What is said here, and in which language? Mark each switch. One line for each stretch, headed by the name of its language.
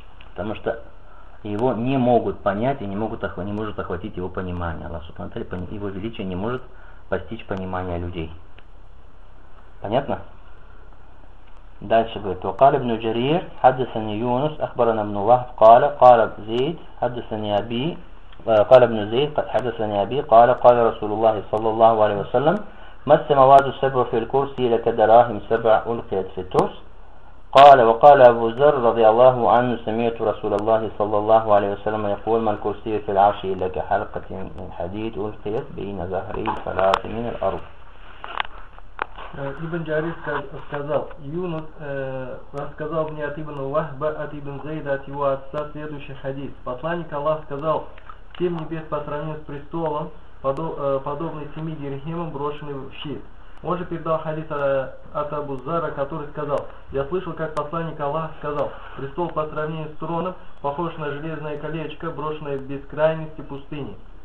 Russian: Потому что его не могут понять и не может охватить его понимание. Аллах Субхана ва Тааля его величие не может постичь понимания людей. Понятно? Дальше говорит:
Arabic: وقال ابن جرير حدثني يونس أخبرنا ابن وهب قال قال زيد حدثني أبي قال ابن زيد حدثني أبي قال قال رسول الله صلى الله عليه وسلم ما السماوات السبع في الكرسي لك دراهم سبع ألقيت في الترس قال وقال أبو ذر رضي الله عنه سمعت رسول الله صلى الله عليه وسلم يقول ما الكرسي في العرش لك حلقة من حديد ألقيت بين ظهري ثلاث من الأرض.
Russian: Ибн Джари сказал, Юнус рассказал мне от Ибн Вахба, от Ибн Зейда, от его отца следующий хадис. Посланник Аллах сказал, семь небес по сравнению с престолом, подобный семи дирхимам, брошенным в щит. Он же передал хадис от Абу Зара, который сказал, я слышал, как посланник Аллах сказал, престол по сравнению с троном, похож на железное колечко, брошенное в бескрайности пустыни.